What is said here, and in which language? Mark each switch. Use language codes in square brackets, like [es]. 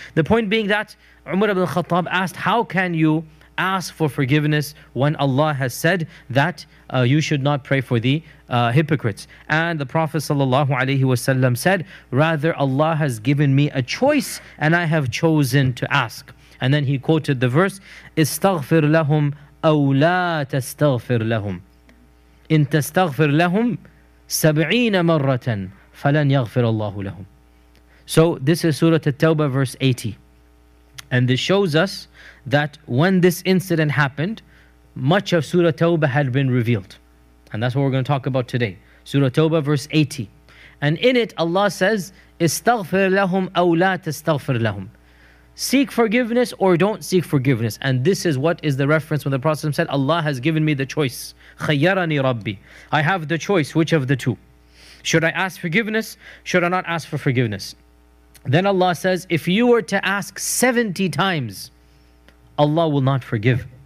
[en] The point being that Umar ibn Khattab asked, how can you ask for forgiveness when Allah has said that you should not pray for the hypocrites? And the Prophet sallallahu alaihi wasallam said, rather Allah has given me a choice and I have chosen to ask. And then he quoted the verse, [ar] استغفر لهم أو لا تستغفر لهم إن تستغفر لهم سبعين مرة فلن يغفر الله لهم. [en] So this is Surah At-Tawbah verse 80. And this shows us that when this incident happened, much of Surah Tawbah had been revealed. And that's what we're going to talk about today. Surah Tawbah verse 80. And in it, Allah says, [ar] استغفر لهم أو لا تستغفر لهم. [en] Seek forgiveness or don't seek forgiveness. And this is what is the reference when the Prophet said, Allah has given me the choice. [ar] خيرني ربي. [en] I have the choice, which of the two? Should I ask forgiveness? Should I not ask for forgiveness? Then Allah says, if you were to ask 70 times, Allah will not forgive.